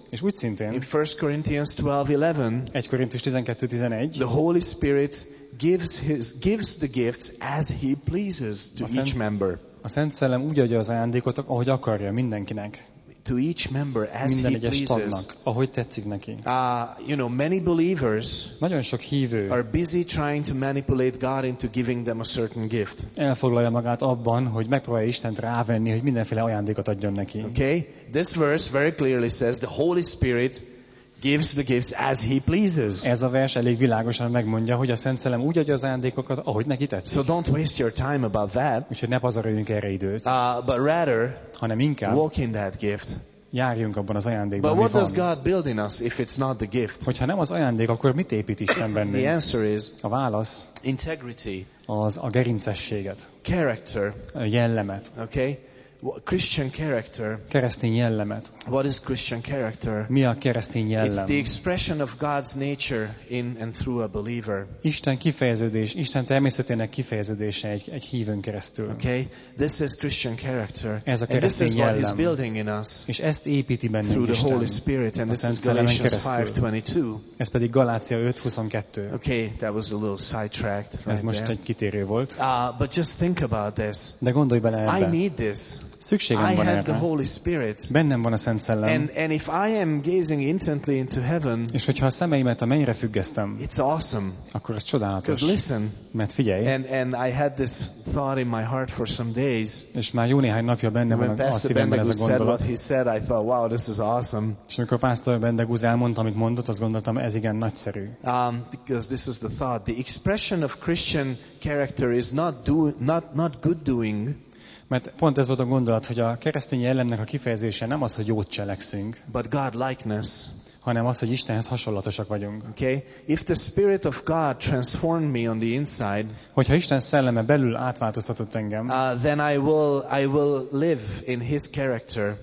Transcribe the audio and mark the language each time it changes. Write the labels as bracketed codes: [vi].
[hu] És úgy szintén, [en] in 1 Corinthians 12:11. [hu] 1 Korintus 12:11. [en] The Holy Spirit gives the gifts as he pleases to each member. [hu] A Szent Szellem úgy adja az ajándékot, ahogy akarja mindenkinek. [en] To each member as he pleases. [hu] Tagnak, ahogy tetszik neki. [en] You know, many believers [hu] nagyon sok hívő [en] are busy trying to manipulate God into giving them a certain gift. [hu] Elfoglalja magát abban, hogy megpróbálja Istent rávenni, hogy mindenféle ajándékot adjon neki. [en] Okay? This verse very clearly says the Holy Spirit gives the gifts as he pleases. [hu] Ez a vers elég világosan megmondja, hogy a Szent Szellem úgy adja az ajándékokat, ahogy neki tetszik. [en] So don't waste your time about that. [hu] Úgyhogy ne pazaroljunk erre időt. [en] But rather, [hu] hanem inkább [en] walk in that gift. [hu] Járjunk abban az ajándékban. [en] But what does God build in us if it's not the gift? [hu] Hogyha nem az ajándék, akkor mit épít Isten bennünk? [en] The answer is [hu] a válasz [en] integrity. [hu] Az a gerincességet. [en] Character. [hu] A jellemet. [en] Okay? Christian character. [hu] Keresztény jellemet. [en] What is Christian character? [hu] Mi a keresztény jellem? [en] It's the expression of God's nature in and through a believer. [hu] Isten kifejeződés, Isten természetének kifejeződése egy hívőn keresztül. [en] Okay? This is Christian character. [hu] Ez a keresztény [en] and this is [hu] jellem. [en] What he's building in us. [hu] És ezt építi bennünk [en] through [hu] Isten. [en] The Holy Spirit and this is Galatians 5:22. [hu] Ez pedig Galácia 5:22. [en] Okay, that was a little sidetracked. [hu] Ez [en] right [hu] most [en] there. [hu] Egy kitérő volt. [en] But just think about this. [hu] De gondolj bele ebbe. [en] I need this. [hu] Szükségem [en] I [hu] van [en] have [hu] erre. [en] The Holy Spirit. [hu] Bennem van a Szent Szellem. [en] And if I am gazing intently into heaven, [hu] és hogyha a szemeimet a mennyre függesztem, [en] it's awesome. [hu] Akkor ez csodálatos. [en] Because listen, [hu] mert figyelj. [en] And I had this thought in my heart for some days. [hu] És már jó néhány napja bennem van a szívemben ez a gondolat. [en] Said what he said, I thought, wow, this is awesome. [hu] És amikor Pásztor Bendegúz elmondta, amit mondott, azt gondoltam, ez igen nagyszerű. [en] Because this is the thought. The expression of Christian character is not good doing. [hu] Mert pont ez volt a gondolat, hogy a keresztény jellemnek a kifejezése nem az, hogy jót cselekszünk, [en] but God likeness, [hu] hanem az, hogy Istenhez hasonlatosak vagyunk. [en] Okay? If the Spirit of God transformed me on the inside, [hu] hogyha Isten szelleme belül átváltoztatott engem, [en] then I will live in his character,